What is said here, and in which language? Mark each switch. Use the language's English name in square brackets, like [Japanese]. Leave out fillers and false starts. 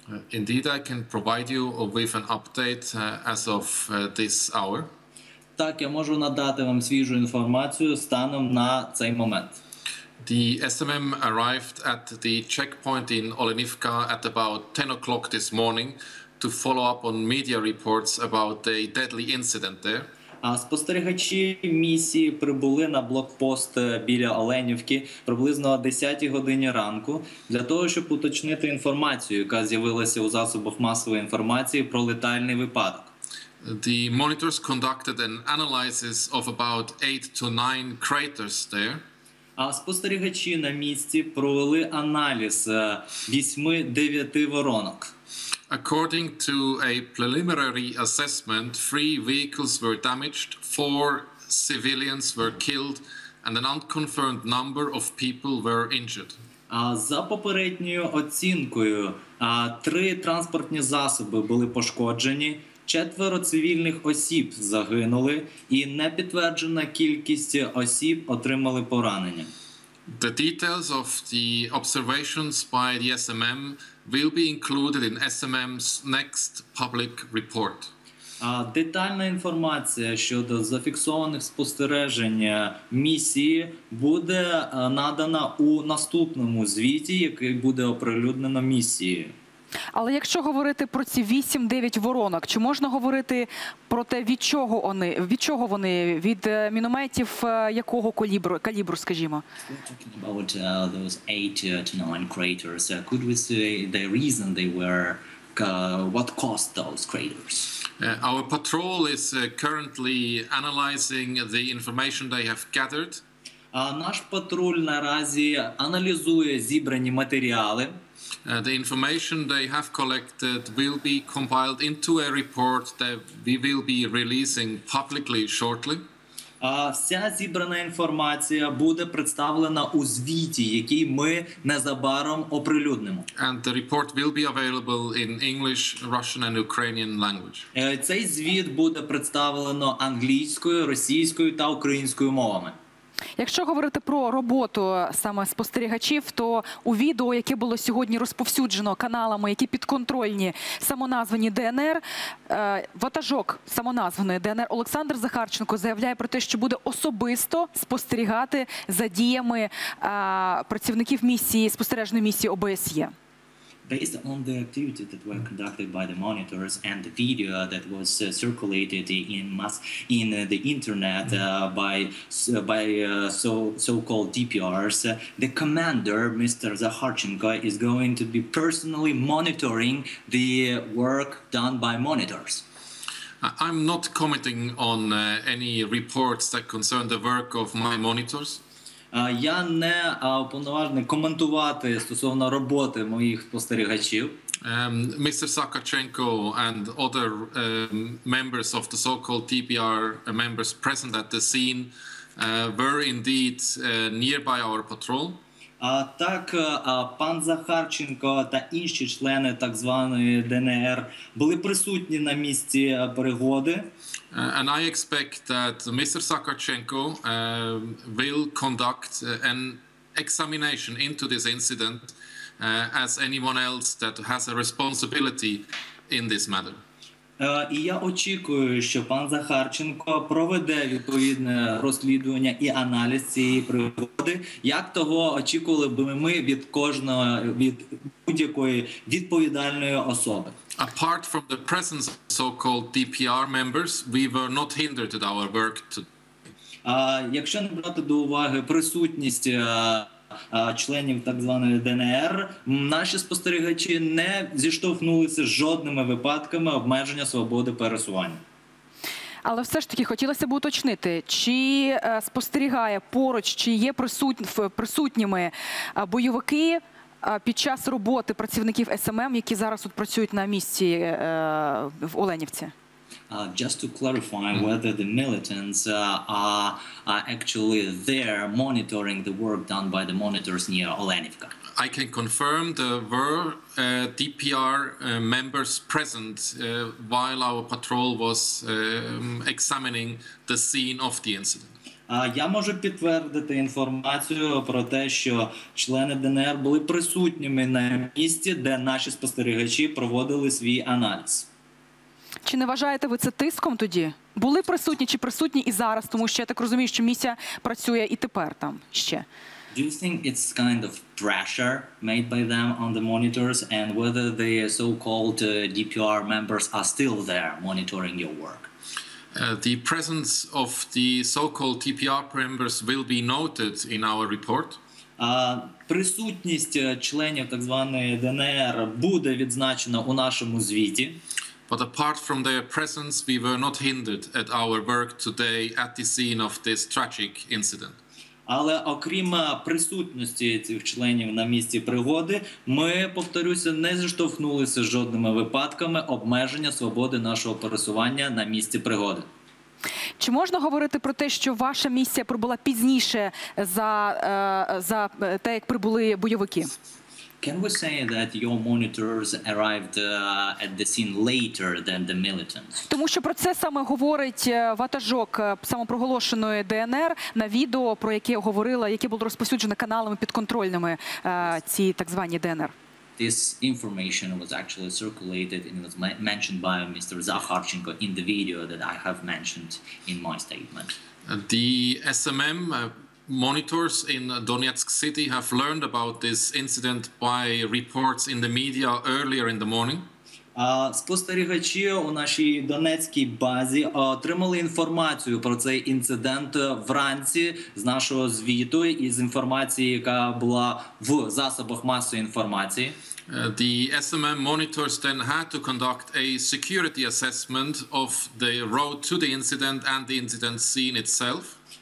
[English] Indeed, I can provide you with an update as of this hour. [Ukrainian] Так, я можу надати вам свіжу інформацію станом на цей момент. [English] The SMM arrived at the checkpoint in Olenivka at about 10 o'clock this morning to follow up on media reports about a deadly incident there. [Ukrainian] Спостерігачі місії прибули на блокпост біля Оленівки приблизно о 10 годині ранку для того, щоб уточнити інформацію, яка з'явилася у засобах масової інформації про летальний випадок. [English] The monitors conducted an analysis of about 8 to 9 craters there. [Ukrainian] А спостерігачі на місці провели аналіз 8-9 воронок. [English] According to a preliminary assessment, 3 vehicles were damaged, 4 civilians were killed, and an unconfirmed number of people were injured. [Ukrainian] За попередньою оцінкою, 3 транспортні засоби були пошкоджені, 4 цивільних осіб загинули, і непідтверджена кількість осіб отримали поранення. [English] The details of the observations by the SMM will be included in SMM's next public report. [Ukrainian] Детальна інформація щодо зафіксованих спостережень місії буде надана у наступному звіті, який буде оприлюднено місією. Але якщо говорити про ці 8-9 воронок, чи можна говорити про те, від чого вони, від мінометів якого калібру, скажімо? [English] About those 8 to 9 craters, could we say the reason they were, what caused those craters? Our patrol is currently analyzing the information they have gathered. [Ukrainian] Наш патруль наразі аналізує зібрані матеріали. [English] The information they have collected will be compiled into a report that we will be releasing publicly shortly. [Ukrainian] Вся зібрана інформація буде представлена у звіті, який ми незабаром оприлюднимо. [English] And the report will be available in English, Russian and Ukrainian language. [Ukrainian] Цей звіт буде представлено англійською, російською та українською мовами. Якщо говорити про роботу саме спостерігачів, то у відео, яке було сьогодні розповсюджено каналами, які підконтрольні самоназвані ДНР, ватажок самоназваної ДНР Олександр Захарченко заявляє про те, що буде особисто спостерігати за діями працівників місії, спостережної місії ОБСЄ. [English] Based on the activity that were conducted by the monitors and the video that was circulated in the internet by so-called DPRs, the commander, Mr. Zakharchenko, is going to be personally monitoring the work done by monitors. I'm not commenting on any reports that concern the work of my monitors. [Ukrainian] Я не уповноважений коментувати стосовно роботи моїх спостерігачів. [English] Mr. Zakharchenko and other members of the so-called DPR members present at the scene were indeed nearby our patrol. [Ukrainian] Так, пан Захарченко та інші члени так званої ДНР були присутні на місці пригоди. [English] And I expect that Mr. Zakharchenko will conduct an examination into this incident as anyone else that has a responsibility in this matter. [Ukrainian] І я очікую, що пан Захарченко проведе відповідне розслідування і аналіз цієї пригоди, як того очікували б ми від кожного, від будь-якої відповідальної особи. [English] Apart from the presence of so-called DPR members, we were not hindered at our work today. [Ukrainian] Якщо не брати до уваги присутність членів так званої ДНР, наші спостерігачі не зіштовхнулися з жодними випадками обмеження свободи пересування. Але все ж таки хотілося б уточнити, чи спостерігає поруч, чи є присутніми бойовики під час роботи працівників СММ, які зараз тут працюють на місці в Оленівці? [English] Just to clarify whether the militants are actually there monitoring the work done by the monitors near Olenivka. I can confirm there were DPR members present while our patrol was examining the scene of the incident. [Ukrainian] Я можу підтвердити інформацію про те, що члени ДНР були присутніми на місці, де наші спостерігачі проводили свій аналіз. Чи не вважаєте ви це тиском тоді? Були присутні чи присутні і зараз, тому що я так розумію, що місія працює і тепер там ще. [English] Do you think it's kind of pressure made by them on the monitors and whether the so-called DPR members are still there monitoring your work? The presence of the so-called DPR members will be noted in our report. [Ukrainian] Присутність членів так званої ДНР буде відзначена у нашому звіті. [English] But apart from their presence, we were not hindered at our work today at the scene of this tragic incident. [Ukrainian] Але окрім присутності цих членів на місці пригоди, ми, повторюся, не зіштовхнулися з жодними випадками обмеження свободи нашого пересування на місці пригоди. Чи можна говорити про те, що ваша місія прибула пізніше за те, як прибули бойовики? [English] Can we say that your monitors arrived at the scene later than the militants? [Ukrainian] Тому що про це саме говорить ватажок самопроголошеної ДНР на відео, про яке говорила, яке було розповсюджено каналами підконтрольними ці так звані ДНР. [English] This information was actually circulated and was mentioned by Mr. Zakharchenko in the video that I have mentioned in my statement. The SMM monitors in Donetsk City have learned about this incident by reports in the media earlier in the morning. [Ukrainian] Спостерігачі у нашій Донецькій базі отримали інформацію про цей інцидент вранці з нашого звіту і з інформації, яка була в засобах масової інформації. [English] The SMM monitors then had to conduct a security assessment of the road to the incident and the incident scene itself.